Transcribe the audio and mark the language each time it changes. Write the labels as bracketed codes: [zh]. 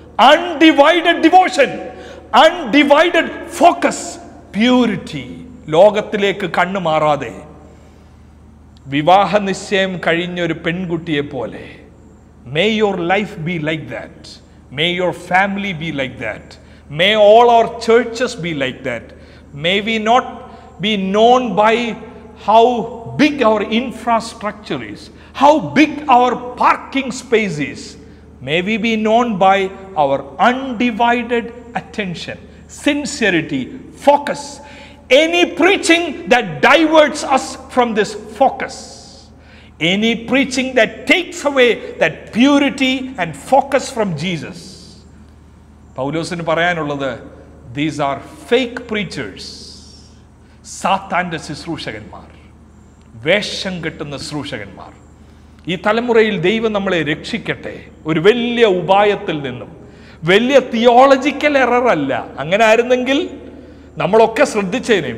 [en] Undivided devotion, undivided focus, purity. [ml] ലോകത്തിലേക്ക് കണ്ണു മാറാതെ വിവാഹ നിശ്ചയം കഴിഞ്ഞൊരു പെൺകുട്ടിയെ പോലെ. [en] May your life be like that, may your family be like that, may all our churches be like that. May we not be known by how big our infrastructure is, how big our parking space is. May we be known by our undivided attention, sincerity, focus. Any preaching that diverts us from this focus, any preaching that takes away that purity and focus from Jesus, [ml] പൗലോസിന് പറയാനുള്ളത് [en] these are fake preachers, [ml] സാത്താൻ്റെ ശുശ്രൂഷകന്മാർ, വേഷം കെട്ടുന്ന ശുശ്രൂഷകന്മാർ. ഈ തലമുറയിൽ ദൈവം നമ്മളെ രക്ഷിക്കട്ടെ ഒരു വലിയ ഉപായത്തിൽ നിന്നും. വലിയ തിയോളജിക്കൽ എററല്ല, അങ്ങനെ ആയിരുന്നെങ്കിൽ നമ്മളൊക്കെ ശ്രദ്ധിച്ചേനെ.